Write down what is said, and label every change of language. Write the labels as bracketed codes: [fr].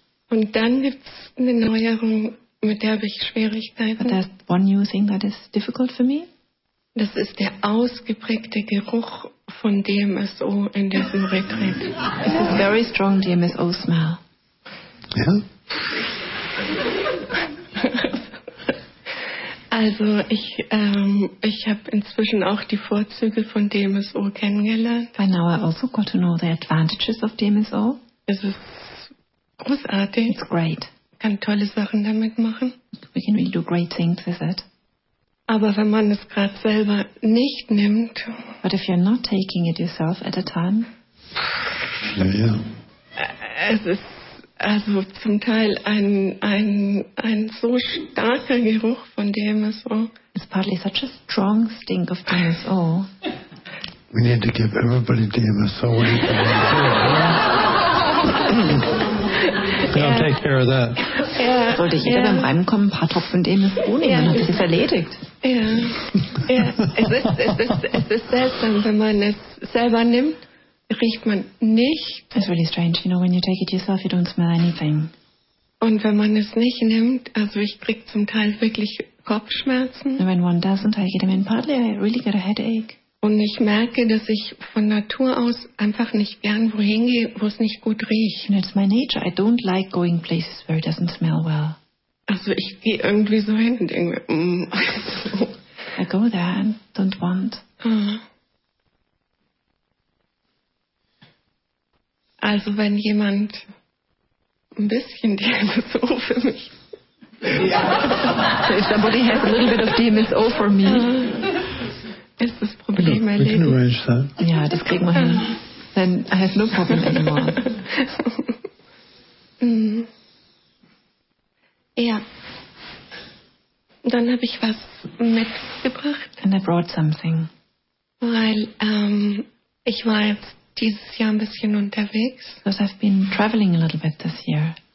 [de] Und dann gibt's eine Neuerung, mit der habe ich Schwierigkeiten. [en] But there's one new thing that is difficult for me. [de] Das ist der ausgeprägte Geruch von DMSO in diesem Retreat. [en] It's a very strong DMSO smell. [de] Ja. Also ich habe inzwischen auch die Vorzüge von DMSO kennengelernt. [en] By now I also got to know the advantages of DMSO. [de] Es ist großartig. [en] It's great. [de] Kann tolle Sachen damit machen. [en] We can really do great things with it. [de] Aber wenn man es gerade selber nicht nimmt. [en] But if you're not taking it yourself at a time. [de] Ja, ja. Es ist also zum Teil ein so starker Geruch von DMSO. [en] It's partly such a strong stink of DMSO. We need to give everybody DMSO. Yeah, I'll take care of that. [de] Ja, sollte jeder beim Reinkommen ein paar Tropfen DMSO nehmen, dann hat sich erledigt. Ja, es ist seltsam, wenn man es selber nimmt, riecht man nichts. [en] It's really strange, you know, when you take it yourself, you don't smell anything. [de] Und wenn man es nicht nimmt, also ich krieg zum Teil wirklich Kopfschmerzen. [en] And when one doesn't, I get them in partly, I really get a headache. [de] Und ich merke, dass ich von Natur aus einfach nicht gern wohin gehe, wo es nicht gut riecht. [en] And it's my nature, I don't like going places where it doesn't smell well. [de] Also ich gehe irgendwie so hin und denke, [en] I go there and don't want. [de] Also wenn jemand ein bisschen DMSO für mich. [en] So if somebody has a little bit of DMSO for me. [de] Ist das Problem. [en] can arrange that. Yeah, [de] das kriegen wir hin. [en] Then I have no problem anymore. [de] Ja. Dann habe ich was mitgebracht. [en] And I brought something. [de] Weil ich war jetzt dieses Jahr ein bisschen unterwegs. [en] Because I've been traveling a little bit this year.